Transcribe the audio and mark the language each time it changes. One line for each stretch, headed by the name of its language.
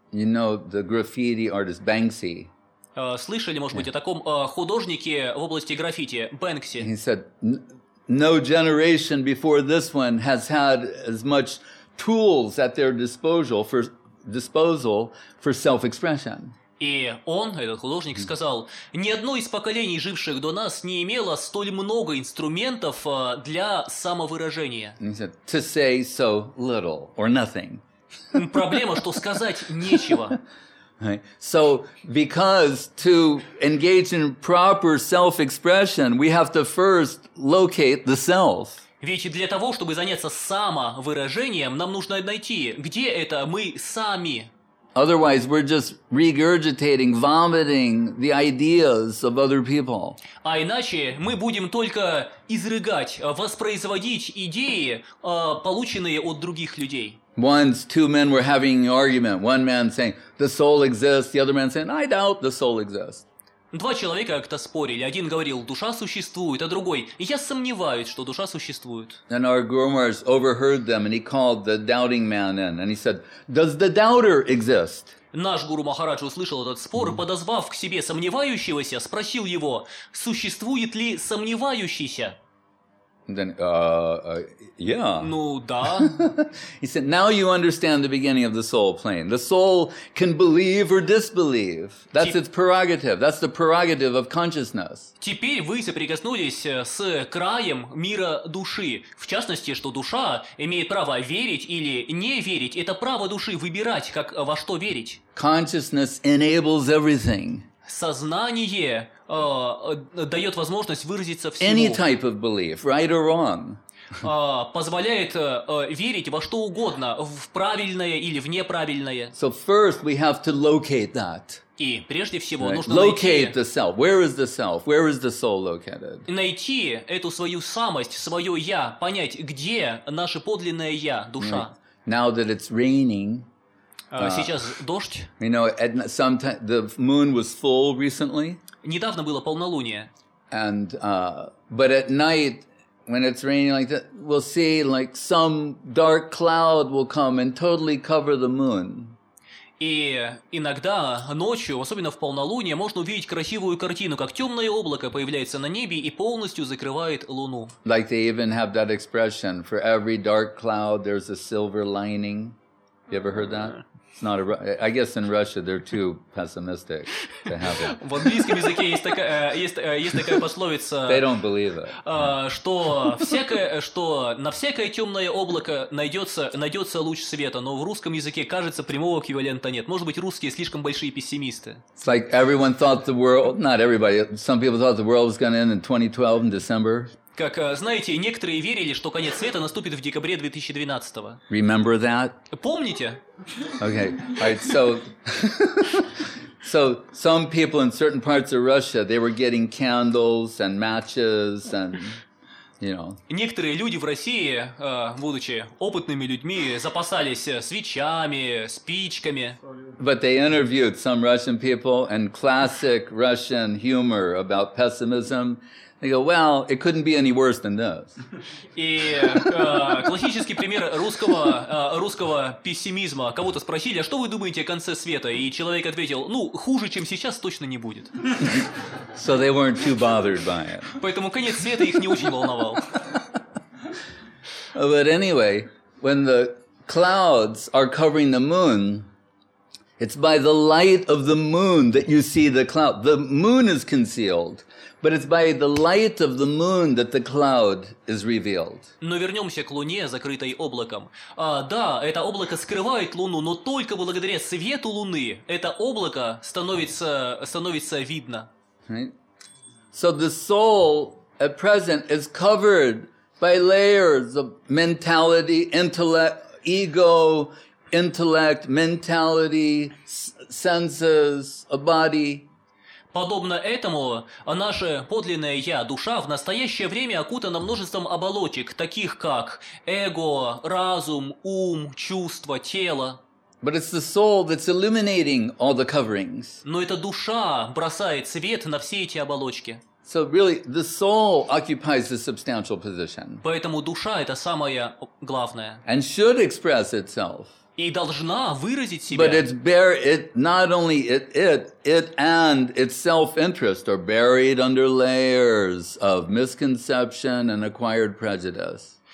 English: You know, the graffiti artist Banksy.
Russian: Слышали, может быть, о таком художнике в области граффити Banksy?
English: He said, no generation before this one has had as much tools at their disposal for self-expression.
Russian: И он, этот художник, сказал, ни одно из поколений, живших до нас, не имело столь много инструментов для самовыражения.
English: He said, to say so little or nothing.
Russian: Проблема, что сказать нечего.
English: Right. So, because to engage in proper self-expression, we have to first locate the self.
Russian: Ведь для того, чтобы заняться самовыражением, нам нужно найти, где это мы сами.
English: Otherwise, we're just regurgitating, vomiting the ideas of other people.
Russian: А иначе мы будем только изрыгать, воспроизводить идеи, полученные от других людей.
English: Once two men were having an argument. One man saying, the soul exists. The other man saying, I doubt the soul exists.
Russian: Два человека как-то спорили. Один говорил, душа существует, а другой, я сомневаюсь, что душа существует.
English: And our groomers overheard them, and he called the doubting man in. And he said, does the doubter exist?
Russian: Наш гуру Махарадж услышал этот спор, подозвав к себе сомневающегося, спросил его, существует ли сомневающийся?
English: Then, yeah.
Russian: Ну, да.
English: He said, now you understand the beginning of the soul plane. The soul can believe or disbelieve. That's its prerogative. That's the prerogative of consciousness.
Russian: Теперь вы соприкоснулись с краем мира души. В частности, что душа имеет право верить или не верить. Это право души выбирать, как во что верить.
English: Consciousness enables everything.
Russian: Сознание дает возможность выразиться всему.
English: Any type of belief, right or wrong.
Russian: Позволяет верить во что угодно, в правильное или в неправильное.
English: So first we have to locate that.
Russian: И прежде всего
English: right?
Russian: нужно
English: locate the self. Where is the self? Where is the soul located?
Russian: Найти эту свою самость, свое я, понять, где наше подлинное я, душа.
English: Right. Now that it's raining.
Russian: Сейчас дождь.
English: You know, sometimes the moon was full recently.
Russian: Недавно было полнолуние.
English: And but at night, when it's raining like that, we'll see like some dark cloud will come and totally cover the moon.
Russian: И иногда ночью, особенно в полнолуние, можно увидеть красивую картину, как темное облако появляется на небе и полностью закрывает луну.
English: Like they even have that expression: for every dark cloud, there's a silver lining. You ever heard that? It's not a, I guess in Russia they're too pessimistic to have it.
Russian: В английском языке есть такая, есть такая пословица.
English: They don't believe it.
Russian: Что всякое, что на всякое темное облако найдется луч света, но в русском языке кажется прямого эквивалента нет. Может быть, русские слишком большие пессимисты.
English: It's like everyone thought the world, not everybody, some people thought the world was going to end in 2012 in December.
Russian: Как, знаете, некоторые верили, что конец света наступит в декабре 2012-го.
English: Remember that?
Russian: Помните?
English: Okay. All right. So some people in certain parts of Russia, they were getting candles and matches and, you know.
Russian: Некоторые люди в России, будучи опытными людьми, запасались свечами, спичками.
English: But they interviewed some Russian people and classic Russian humor about pessimism. They go, well, it couldn't be any worse than this.
Russian: И классический пример русского пессимизма. Кого-то спросили, а что вы думаете о конце света? И человек ответил, ну, хуже, чем сейчас, точно не будет.
English: So they weren't too bothered by it.
Russian: Поэтому конец света их не очень волновал.
English: But anyway, when the clouds are covering the moon, it's by the light of the moon that you see the cloud. The moon is concealed. But it's by the light of the moon that the cloud is revealed.
Russian: Но вернемся к луне, закрытой облаком. Да, это облако скрывает луну, но только благодаря свету луны это облако становится видно.
English: Right. So the soul at present is covered by layers of mentality, intellect, ego, intellect, mentality, senses, a body.
Russian: Подобно этому, наше подлинное «я», душа, в настоящее время окутано множеством оболочек, таких как эго, разум, ум, чувства, тело.
English: But it's the soul that's illuminating all the coverings.
Russian: Но это душа бросает свет на все эти оболочки.
English: So really, the soul occupies the substantial position.
Russian: Поэтому душа – это самое главное.
English: And should express itself.
Russian: И должна выразить себя.
English: But it's bare, it, not only it, it and its self-interest are buried under layers of misconception and acquired prejudice.